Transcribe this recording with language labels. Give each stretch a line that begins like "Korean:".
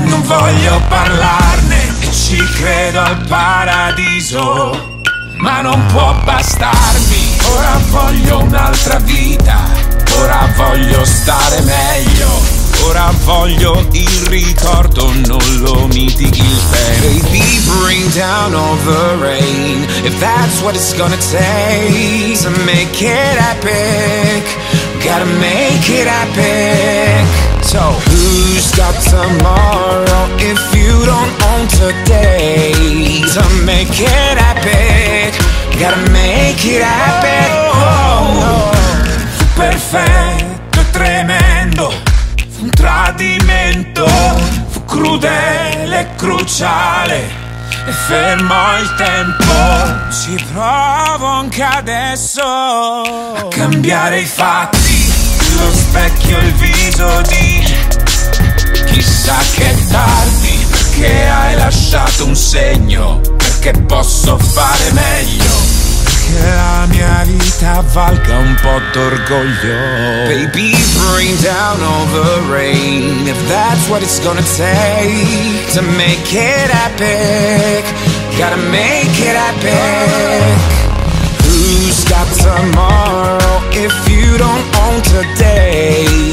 Italian: non voglio parlarne, ci credo al paradiso, ma non può bastarmi. Ora voglio un'altra vita, ora voglio stare meglio, ora voglio il ritorno, non lo mitighi il pain.
English: Baby, bring down all the rain, if that's what it's gonna take to make it epic, gotta make it epic. So who's got tomorrow if you don't own today? To make it epic, gotta make it epic. Oh, oh, oh.
Italian: Perfetto, tremendo, un tradimento, fu crudele, cruciale, e fermo il tempo. Ci provo anche adesso a cambiare i fatti, lo specchio, il viso di chissà che tardi, perché hai lasciato un segno, perché posso fare meglio. Che la mia vita valga un po' d'orgoglio.
English: Baby, bring down all the rain, if that's what it's gonna take to make it epic, gotta make it epic. Who's got tomorrow if you don't own today?